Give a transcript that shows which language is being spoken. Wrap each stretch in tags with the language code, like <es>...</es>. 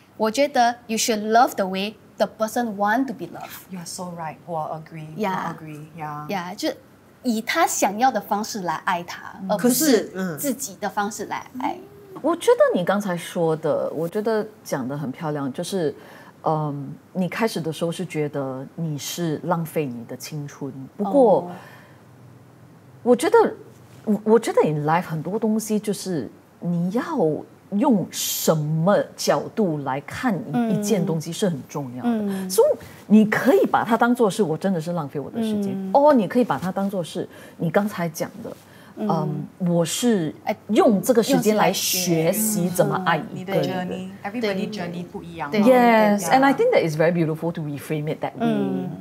<zh>我觉得</zh> <en>you should love the way the person want to be loved. You are so right.</en> <zh>我</zh> <en>agree. Yeah.</en> <zh>Yeah, 就以他想要的方式来爱他, 而不是自己的方式来爱。我觉得你刚才说的, 我觉得讲得很漂亮, 就是 你开始的时候是觉得你是浪费你的青春, 不过 我觉得</zh> <en>in life</en> <zh>很多东西就是你要用什么角度来看一件东西是很重要的。</zh> <en>So</en> <zh>你可以把它当作是我真的是浪费我的时间, 你可以把它当作是你刚才讲的, 我是用这个时间来学习怎么爱一个人。</zh> <en>Everybody journey</en> <zh>不一样。</zh> <en>Yes, and I think that is very beautiful to reframe it that way.</en>